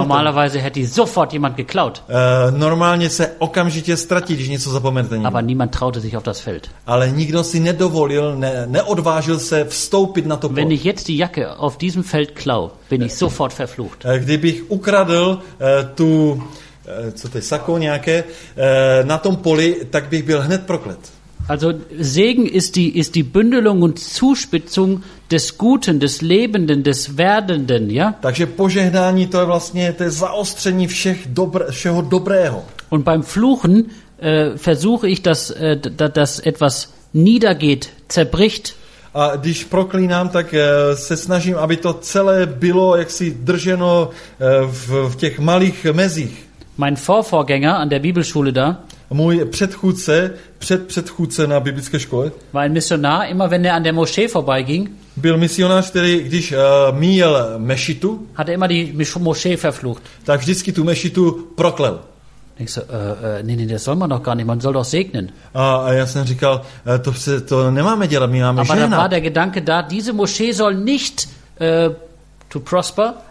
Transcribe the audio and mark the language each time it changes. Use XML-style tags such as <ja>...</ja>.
<de>Normalerweise hätte ich sofort jemand geklaut.</de> <cs>Normálně se okamžitě ztratí, když něco zapomenete.</cs> <de>Aber niemand traute sich auf das Feld.</de> <cs>Ale nikdo si nedovolil, neodvážil se vstoupit na to pole.</cs> <de>Wenn ich jetzt die Jacke auf diesem Feld klau, bin ich sofort verflucht.</de> <cs>Kdybych ukradl tu co to je, sako nějaké na tom poli, tak bych byl hned proklet.</cs> <de>Also Segen ist die Bündelung und Zuspitzung des Guten, des Lebenden, des Werdenden, ja?</de> <cs>Takže požehnání to je vlastně to je zaostření všeho dobrého.</cs> <de>Und beim Fluchen versuche ich, dass das etwas niedergeht, zerbricht.</de> <cs>A když proklínám, tak se snažím, aby to celé bylo jaksi drženo v těch malých mezích.</cs> <de>Mein Vorvorgänger an der Bibelschule da.</de> <cs>Můj předchůdce, předchůdce na biblické škole.</cs> <de>War ein Missionar, immer wenn er an der Moschee vorbeiging.</de> <cs>Byl misionář, který když míjel mešitu.</cs> <de>Hat er immer die Moschee verflucht.</de> <cs>Tak vždycky tu mešitu proklel.</cs> <de>Ich so, nee, das soll man doch gar nicht, man soll doch segnen.</de> <cs>A já jsem říkal, to nemáme dělat, my máme</cs> <de>Aber</de> <cs>žena.</cs> <de>Aber da war der Gedanke da, diese Moschee soll nicht</de> <en>to prosper.</en>